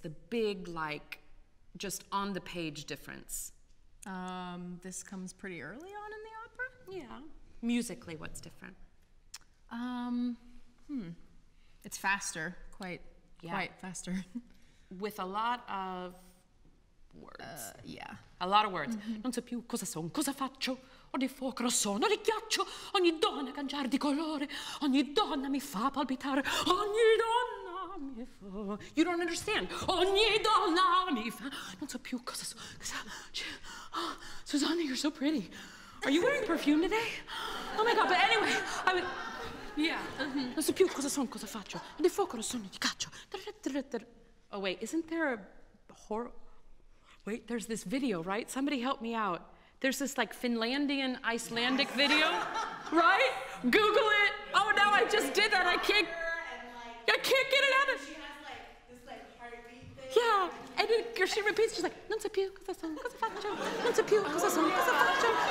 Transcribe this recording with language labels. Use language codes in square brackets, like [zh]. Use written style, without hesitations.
[en] The big, like, just on the page difference. This comes pretty early on in the opera? Yeah. Musically, what's different? It's faster, quite faster. With a lot of words. A lot of words. Mm-hmm. [it] Non so più cosa son, cosa faccio, o di fuoco lo sono, o di ghiaccio, ogni donna cangiar di colore, ogni donna mi fa palpitare, ogni donna mi fa... [en] You don't understand. [it] Ogni donna mi fa... Non so più cosa son, cosa... [en] Oh, Susanna, you're so pretty. Are you wearing perfume today? Oh my God, but anyway, I would... Yeah. Mm-hmm. [it] Non so più cosa son, cosa faccio, o di fuoco lo sono, di ghiaccio. [en] Oh wait, isn't there a horror... Wait, there's this video, right? Somebody help me out. There's this like Finlandian, Icelandic video, right? Google it. Oh no, I just did that. I can't get it out of. She has like this like heartbeat thing. Yeah, and she repeats. She's like, [it] non so più cosa son, cosa faccio. Non so più cosa son, cosa faccio.